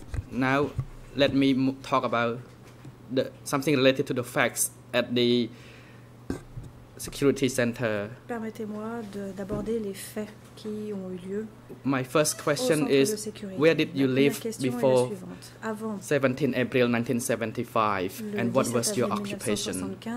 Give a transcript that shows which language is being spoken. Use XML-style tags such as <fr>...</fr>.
<en>Now, let me talk about something related to the facts at the security center.</en> <fr>Permettez-moi d'aborder les faits qui ont eu lieu.</fr> <en>My first question is, where did you live before 17 April 1975, and what was your occupation?</en>